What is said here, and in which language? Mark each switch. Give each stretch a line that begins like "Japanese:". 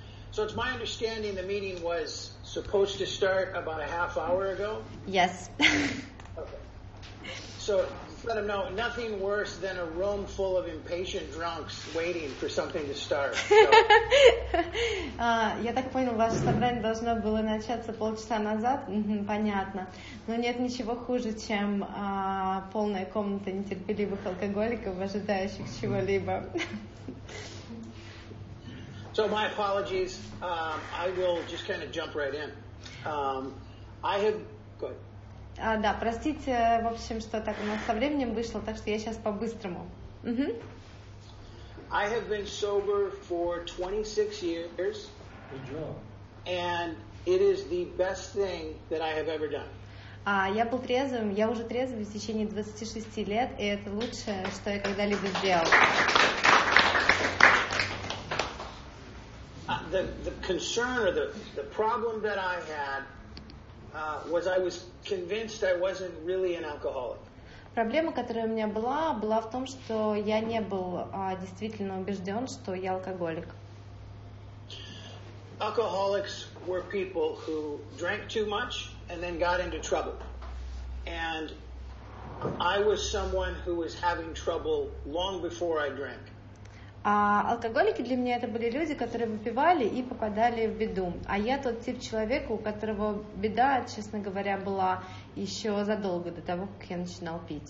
English: So it's my understanding the meeting was supposed to start about a half hour ago? Yes. Okay. So let them know, nothing worse than a room full of impatient drunks waiting for something to start. So.
Russian: Я так понял, ваше собрание должно было начаться полчаса назад? Понятно. Но нет ничего хуже, чем полная комната нетерпеливых алкоголиков, ожидающих чего-либо.
English: So my apologies. I will just kind of jump right in. I have... Go ahead.
Russian: Да, простите, в общем, что так у нас со временем вышло, так что я сейчас по-быстрому.
English: I have been sober for 26 years, and it is the best thing that I have ever done.
Russian: Я уже трезвым в течение 26 лет, и это лучшее, что я когда-либо сделал.
English: The concern or the problem that I had was I was convinced I wasn't really an alcoholic.
Russian: Проблема, которая у меня была, была в том, что я не был действительно убежден, что я алкоголик.
English: Alcoholics were people who drank too much and then got into trouble. And I was someone who was having trouble long before I drank.
Russian: А алкоголики для меня это были люди, которые выпивали и попадали в беду. А я тот тип человека, у которого беда, честно говоря, была еще задолго до того, как я начинал